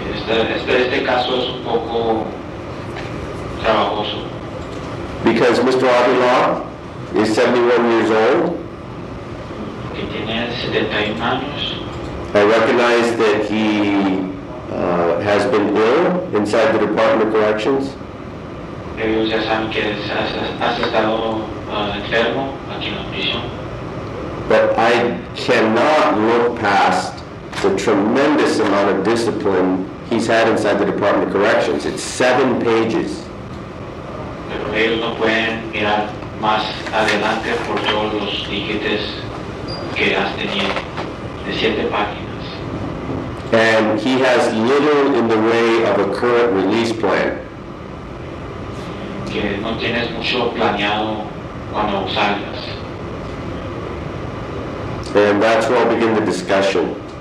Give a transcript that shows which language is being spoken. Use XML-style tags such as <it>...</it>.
<es>Este caso es un poco trabajoso.</es> <en>Because Mr. Avila is 71 years old.</en> <es>Que tiene 71 años.</es> <en>I recognize that he has been ill inside the Department of Corrections.</en> <es>Ellos ya saben que has estado enfermo aquí en la prisión.</es> <en>But I cannot look past the tremendous amount of discipline he's had inside the Department of Corrections. It's 7 pages.</en> <es>Pero ellos no pueden mirar más adelante por todos los tiquetes que has tenido de 7 páginas.</es> <en>And he has little in the way of a current release plan.</en> <es>Que no tienes mucho planeado cuando salgas.</es> <en>And that's where I'll begin the discussion.</en>